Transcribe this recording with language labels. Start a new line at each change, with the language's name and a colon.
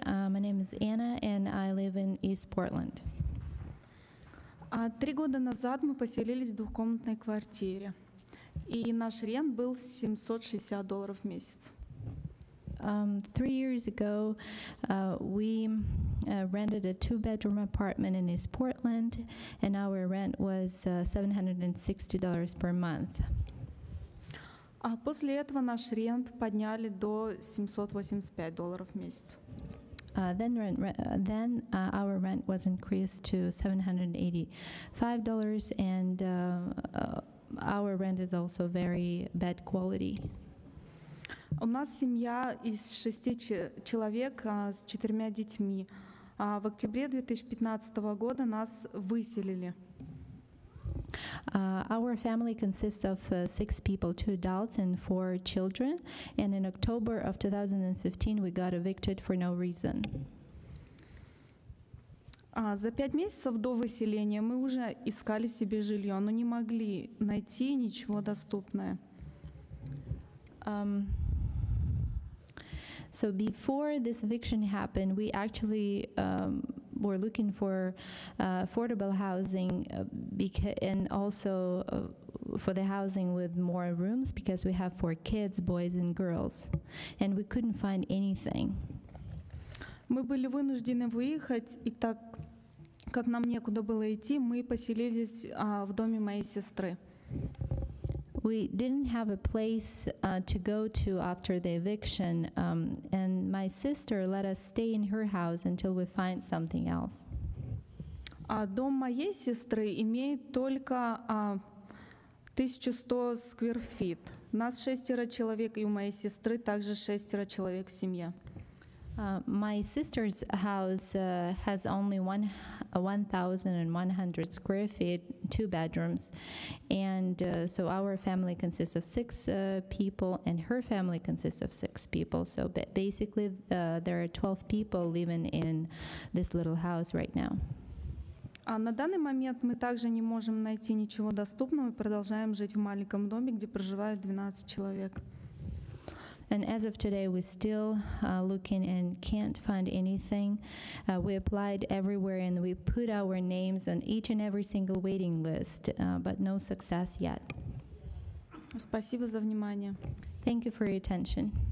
English: My name is Anna, and I live in East Portland.
Russian: Три года назад мы поселились в двухкомнатной квартире, и наш рент был $760 в месяц.
English: Three years ago, we rented a two-bedroom apartment in East Portland, and our rent was $760 per month.
Russian: А после этого наш рент подняли до $785 в месяц.
English: Then our rent was increased to $785, and our rent is also very bad quality.
Russian: У нас семья из шести человек с четырьмя детьми. В октябре 2015 года нас выселили.
English: Our family consists of six people, two adults and four children. And in October of 2015, we got evicted for no reason.
Russian: За пять месяцев до выселения мы уже искали себе жилье, но не могли найти ничего доступное.
English: So before this eviction happened, we actually were looking for affordable housing and also for the housing with more rooms because we have four kids, boys and girls, and we couldn't find anything.
Russian: Мы были вынуждены выехать, и так как нам некуда было идти, мы поселились в доме моей сестры.
English: We didn't have a place to go to after the eviction, and my sister let us stay in her house until we find something else.
Russian: Дом моей сестры имеет только 1100 square feet. Нас шестеро человек, и у моей сестры также шестеро человек в семье.
English: My sister's house has only 1,100 square feet, two bedrooms, and so our family consists of six people, and her family consists of six people. So basically, there are 12 people living in this little house right now.
Russian: А на данный момент мы также не можем найти ничего доступного, мы продолжаем жить в маленьком доме, где проживает 12 человек.
English: And as of today, we're still looking and can't find anything. We applied everywhere and we put our names on each and every single waiting list, but no success yet.
Russian: Спасибо за внимание.
English: Thank you for your attention.